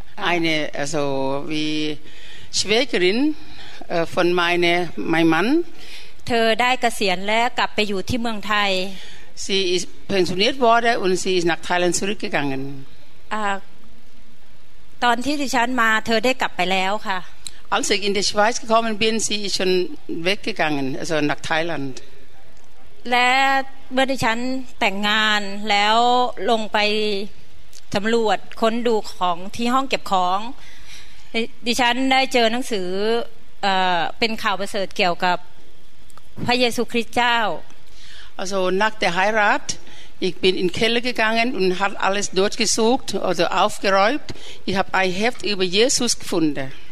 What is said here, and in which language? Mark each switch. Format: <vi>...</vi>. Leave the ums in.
<de>eine also wie Schwägerin von meine mein Mann</de> <th>เธอได้เกษียณและกลับไปอยู่ที่เมืองไทย</th> <de>sie ist pensioniert worden und sie ist nach Thailand zurückgegangen uh,</de> <th>ตอนที่ดิฉันมาเธอได้กลับไปแล้วค่ะ</th> <de>Als ich in die Schweiz gekommen bin, sie ist schon weggegangen, also nach Thailand.</de> <th>และเมื่อดิฉันแต่งงานแล้วลงไปสำรวจค้นดูของที่ห้องเก็บของ ดิฉันได้เจอหนังสือเอเป็นข่าวประเสริฐเกี่ยวกับพระเยซูคริสต์เจ้า</th> <de>Also nach der Heirat Ich bin in den Keller gegangen und habe alles dort gesucht, oder aufgeräumt. Ich habe ein Heft über Jesus gefunden.</de>